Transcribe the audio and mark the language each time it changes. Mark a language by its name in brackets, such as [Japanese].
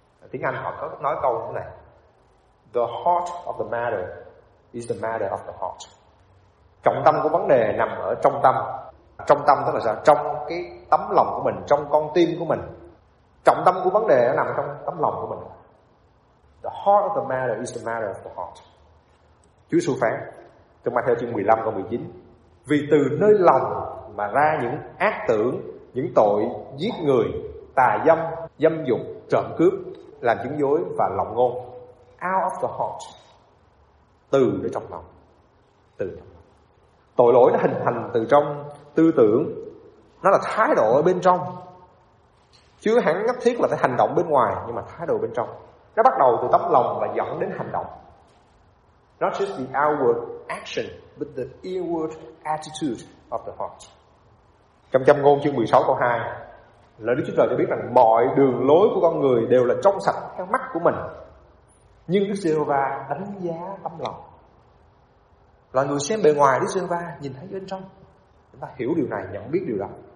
[Vietnamese] Tiếng Anh họ có nói câu như thế này: [English] the heart of the matter is the matter of the heart. [Vietnamese] Trọng tâm của vấn đề nằm ở trong tâm. Trong tâm tức là sao? Trong cái tấm lòng của mình, trong con tim của mình. Trọng tâm của vấn đề nó nằm trong tấm lòng của mình. [English] The heart of the matter is the matter of the heart. [Vietnamese] Chúa Giêsu phán trong Ma-thi-ơ chương 15 câu 19: vì từ nơi lòng mà ra những ác tưởng, những tội giết người, tà dâm, dâm dục, trộm cướp, làm chứng dối và lọng ngôn. [English] Out of the heart, [Vietnamese] từ ở trong lòng. Từ tội lỗi nó hình thành từ trong tư tưởng, nó là thái độ ở bên trong, chứ hẳn nhất thiết là phải hành động bên ngoài. Nhưng mà thái độ bên trong nó bắt đầu từ tấm lòng và dẫn đến hành động. [English] Not just the outward action, but the inward attitude of the heart. [Vietnamese] Trong Châm Ngôn chương 16 câu 2, lời Đức Chúa Trời cho biết rằng mọi đường lối của con người đều là trong sạch trong mắt của mình, nhưng Đức Giê-hô-va đánh giá tấm lòng. Loài người xem bề ngoài, Đức Giê-hô-va nhìn thấy bên trong. Chúng ta hiểu điều này, nhận biết điều đó.